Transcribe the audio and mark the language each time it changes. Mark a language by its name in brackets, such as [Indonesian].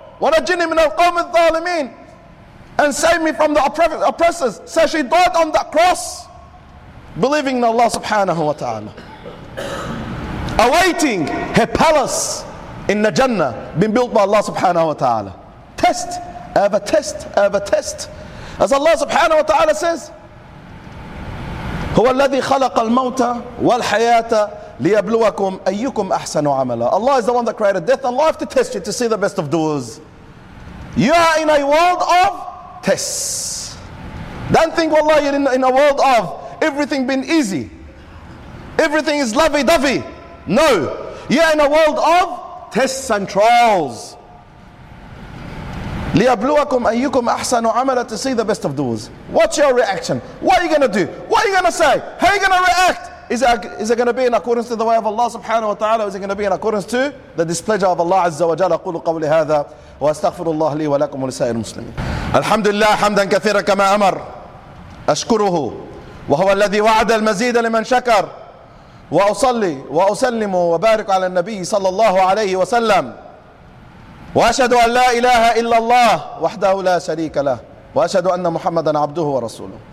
[Arabic] وَنَجِّنِي مِنَ الْقَوْمِ الظَّالِمِينَ. [English] And save me from the oppressors. So she died on that cross, believing in Allah subhanahu wa ta'ala. awaiting her palace in the Jannah being built by Allah subhanahu wa ta'ala. Test, I have a test. As Allah subhanahu wa ta'ala says, [Arabic] هُوَ الَّذِي خَلَقَ الْمَوْتَ وَالْحَيَاةَ لِيَبْلُوَكُمْ أَيُّكُمْ أَحْسَنُ عَمَلًا. [English] Allah is the one that created death and life to test you, to see the best of doers. You are in a world of tests. Don't think, wallahi, you're in a world of everything being easy. Everything is lovey-dovey. No. You are in a world of tests and trials. [Arabic] لِيَبْلُوَكُمْ أَيُّكُمْ أَحْسَنُ عَمَلًا, [English] to see the best of those. What's your reaction? What are you going to do? What are you going to say? How are you going to react? Is it going to be in accordance to the way of Allah subhanahu wa ta'ala? Is it going to be in accordance to the displeasure of Allah azza wa jalla? [Arabic] قُلُوا قَوْلِ هَذَا وَأَسْتَغْفِرُ اللَّهَ لِي وَلَكُمْ وَلِسَائِرِ الْمُسْلِمِينَ. الحمد لله حمدا كثيرا كما أمر. أشكره وهو الذي وعد المزيد لمن شكر. وأصلي وأسلم وبارك على النبي صلى الله عليه وسلم. وأشهد أن لا إله إلا الله وحده لا شريك له وأشهد أن محمدا عبده ورسوله.